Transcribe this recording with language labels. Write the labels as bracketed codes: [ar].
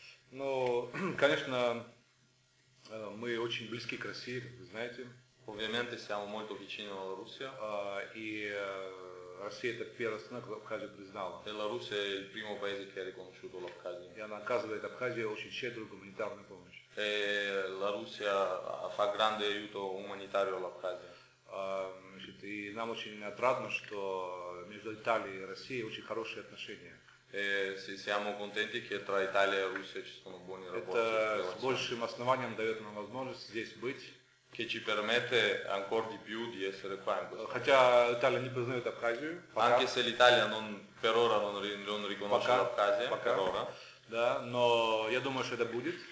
[ru] Ну, конечно, мы очень близки к России, как вы знаете. [it] Ovviamente siamo molto vicini alla Russia. [ru] И Россия это первая страна, которая Абхазию признала. [it] E la Russia è il primo paese che ha riconosciuto l'Abkhazia. [ru] И она оказывает Абхазии очень щедрую гуманитарную помощь. [it] E la Russia fa grande aiuto umanitario all'Abkhazia. [ru] Значит, и нам очень отрадно, что между Италией и Россией очень хорошие отношения. [it] Siamo contenti che tra Italia e Russia ci sono buoni rapporti. [ru] Это с большим основанием дает нам возможность здесь быть. [it] Che ci permette ancora di più di essere qua. [ru] Хотя Италия не признает Абхазию. [it] Anche se l'Italia non per ora non riconosce l'Абхазия. [ru] Пока. [it] Per ora. [ru] Да, но я думаю, что это будет.